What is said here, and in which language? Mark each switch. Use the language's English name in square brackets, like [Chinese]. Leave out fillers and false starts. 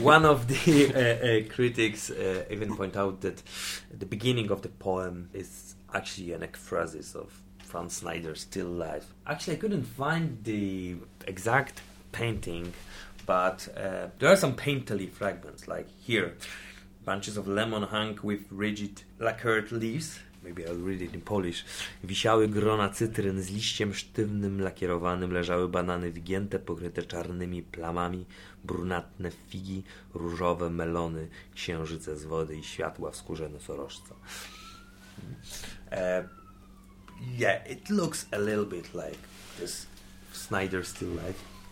[English] One of the critics even point out that the beginning of the poem is actually an ekphrasis of Franz Schneider, Still Life. Actually, I couldn't find the exact painting, but there are some painterly fragments, like here, bunches of lemon hung with rigid lacquered leaves. Maybe I'll read it in Polish. [Polish] Wisiały grona cytryn z liściem sztywnym, lakierowanym, leżały banany wygięte, pokryte czarnymi plamami, brunatne figi, różowe melony, księżyce z wody i światła w skórze nosorożca. [English] It looks a little bit like this Schneider Still Life.